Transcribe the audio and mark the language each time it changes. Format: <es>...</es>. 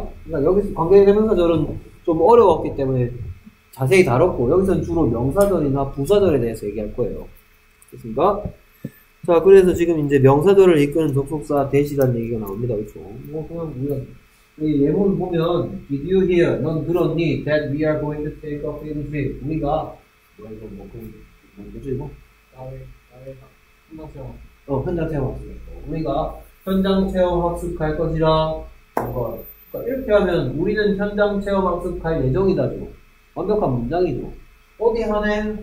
<ko>그러니까 여기서 관계 대명사절은 좀 어려웠기 때문에 자세히 다뤘고 여기서는 주로 명사절이나 부사절에 대해서 얘기할 거예요. 됐습니까? 자, 그래서 지금 이제 명사절을 이끄는 접속사 대시라는 얘기가 나옵니다. 그쵸? 뭐 그냥 우리가 이 예문 보면</ko> <en>Did you hear?</en> <ko>넌 들었니?</ko> <en>That we are going to take a field trip.</en> <ko>우리가 뭐야 이거 뭐 그 뭐지 이거? 나의 현장 체험. 현장 체험. 우리가 현장 체험 학습 갈 것이라 뭔가 그러니까 이렇게 하면 우리는 현장 체험 학습 갈 예정이다죠. 완벽한 문장이죠. 어디 하네?</ko>